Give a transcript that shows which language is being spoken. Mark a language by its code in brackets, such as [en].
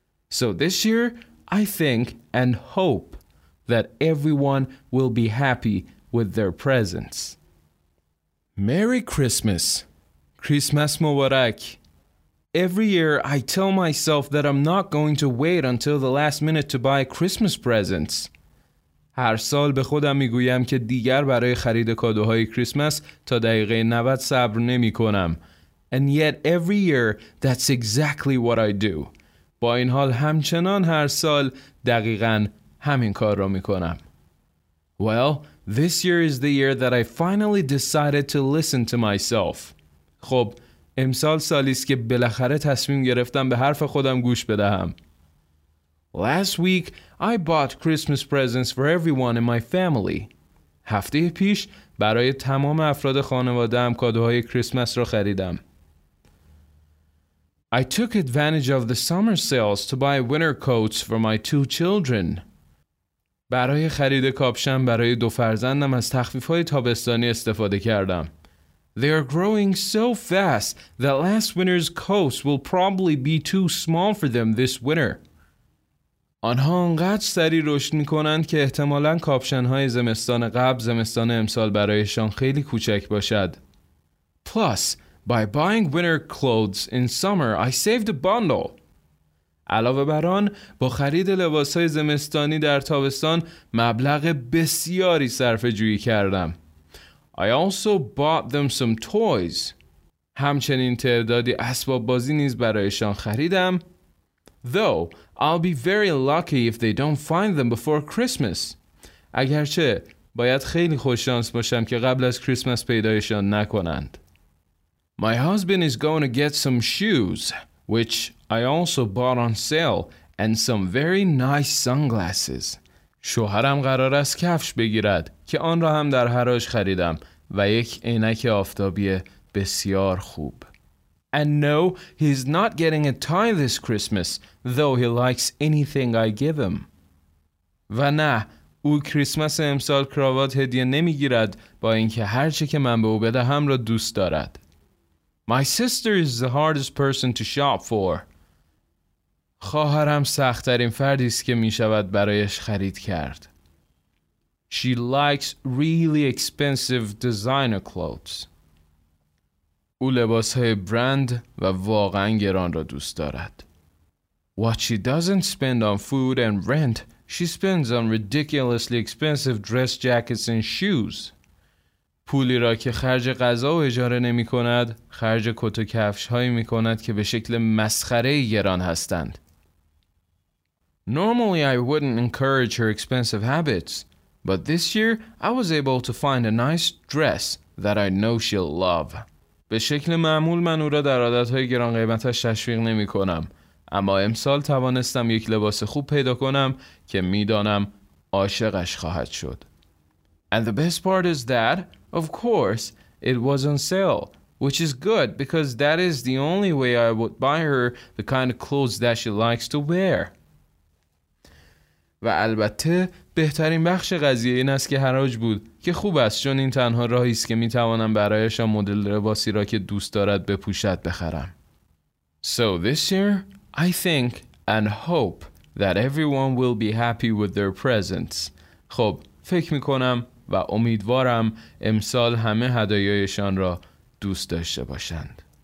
[en] So this year, I think and hope that everyone will be happy with their presents. Merry Christmas. Christmas Mubarak. Every year, I tell myself that I'm not going to wait until the last minute to buy Christmas presents. [fa] هر سال به خودم میگویم که دیگر برای خرید کادوهای کریسمس تا دقیقه 90 صبر نمی کنم. [en] And yet every year that's exactly what I do. [fa] با این حال همچنان هر سال دقیقاً همین کار را می کنم. [en] Well, this year is the year that I finally decided to listen to myself. [fa] خب امسال سالی است که بالاخره تصمیم گرفتم به حرف خودم گوش بدهم. [en] Last week, I bought Christmas presents for everyone in my family. [fa] هفته پیش برای تمام افراد خانواده‌ام کادوهای کریسمس رو خریدم. [en] I took advantage of the summer sales to buy winter coats for my two children. [fa] برای خرید کاپشن برای دو فرزندم از تخفیف‌های تابستانی استفاده کردم. [en] They are growing so fast that last winter's coats will probably be too small for them this winter. [fa] آنها انقدر سریع رشد می‌کنند که احتمالاً کاپشن‌های زمستان قبل زمستان امسال برایشان خیلی کوچک باشد. [en] Plus, by buying winter clothes in summer, I saved a bundle. [fa] علاوه بر آن، با خرید لباس‌های زمستانی در تابستان مبلغ بسیاری صرفه‌جویی کردم. [en] I also bought them some toys. [fa] همچنین تعدادی اسباب‌بازی نیز برایشان خریدم. [en] Though I'll be very lucky if they don't find them before Christmas. [fa] اگرچه باید خیلی خوش شانس باشم که قبل از کریسمس پیدایشان نکنند. [en] My husband is going to get some shoes, which I also bought on sale, and some very nice sunglasses. [fa] شوهرم قرار است کفش بگیرد که آن را هم در حراج خریدم و یک عینک آفتابی بسیار خوب. [en] And no, he's not getting a tie this Christmas, though he likes anything I give him. [fa] و نه، او کریسمس امسال کراوات هدیه نمیگیرد با اینکه هرچه که من به او بدهم را دوست دارد. [en] My sister is the hardest person to shop for. [fa] خواهرم سخت‌ترین فردی است که میشود برایش خرید کرد. [en] She likes really expensive designer clothes. [fa] او لباس‌های برند و واقعاً گران را دوست دارد. [en] What she doesn't spend on food and rent, she spends on ridiculously expensive dress jackets and shoes. [fa] پولی را که خرج غذا و اجاره نمی‌کند، خرج کت و کفش‌هایی می‌کند که به شکل مسخره‌ای گران هستند. [en] Normally I wouldn't encourage her expensive habits, But this year, I was able to find a nice dress that I know she'll love. [fa] به شکل معمول من او را در عادت‌های گران قیمتش تشویق نمی‌کنم، اما امسال توانستم یک لباس خوب پیدا کنم که می‌دانم عاشقش خواهد شد. [en] And the best part is that, of course, it was on sale, which is good because that is the only way I would buy her the kind of clothes that she likes to wear. [fa] و البته بهترین بخش قضیه این است که حراج بود، که خوب است چون این تنها راهی است که می توانم برایش مدل لباسی را که دوست دارد بپوشد بخرم. [en] So this year, I think and hope that everyone will be happy with their presents. [fa] خب، فکر می کنم و امیدوارم امسال همه هدایایشان را دوست داشته باشند.